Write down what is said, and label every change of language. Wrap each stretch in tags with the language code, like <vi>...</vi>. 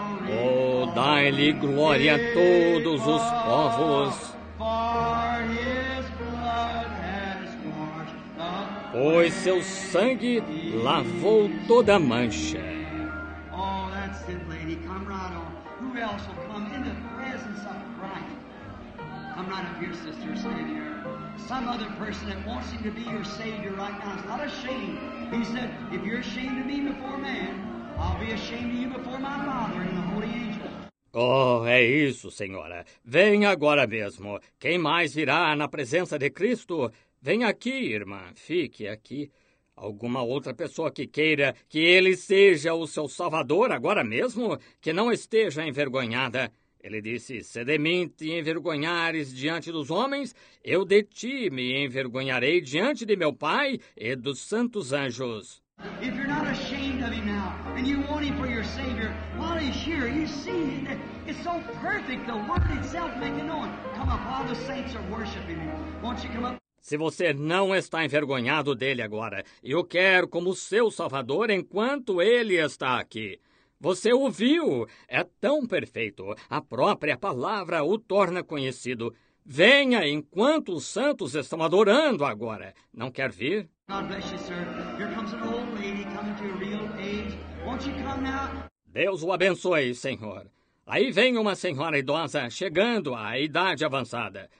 <pt>Oh, dai-lhe glória a todos os povos,</pt> <en>for his blood has washed the...</en> <pt>pois seu sangue lavou toda a mancha.</pt> <en>Oh, that's it, lady. Come right on. Who else will come in the presence of Christ? Come right up here, sister, stand here. Some other person that wants him to be your savior right now is not ashamed. He said, if you're ashamed of me before man, I'll be ashamed of you before my father and the holy angels.</en> <pt>Oh, é isso, senhora. Venha agora mesmo. Quem mais virá na presença de Cristo? Venha aqui, irmã. Fique aqui. Alguma outra pessoa que queira que ele seja o seu salvador agora mesmo? Que não esteja envergonhada. Ele disse, se de mim te envergonhares diante dos homens, eu de ti me envergonharei diante de meu Pai e dos santos anjos.</pt> <en>If you're not ashamed of him now, and you want him for your Savior, while he's here, you see, it's so perfect, the word itself making known. Come up, all the saints are worshiping him. Won't you come up?</en> <pt>Se você não está envergonhado dele agora, eu quero como seu Salvador enquanto ele está aqui. Você o viu, é tão perfeito, a própria palavra o torna conhecido. Venha enquanto os santos estão adorando agora. Não quer vir?</pt> <en>God bless you, sir. Here comes an old lady coming to a real age. Won't you come now?</en> <pt>Deus o abençoe, senhor. Aí vem uma senhora idosa chegando à idade avançada.</pt>